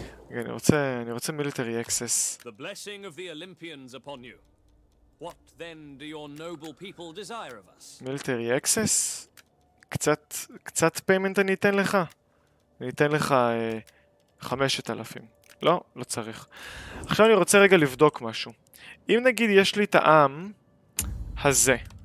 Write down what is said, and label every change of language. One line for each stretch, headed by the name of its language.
Hebrew: אני רוצה military access.
English: The blessing of the Olympians upon you. What then do your noble people desire of us? Military access?
Hebrew: קצת payment אני אתן לך. אני אתן לך 5,000. לא, לא צריך. עכשיו אני רוצה רגע לבדוק משהו. אם נגיד יש לי את העם הזה.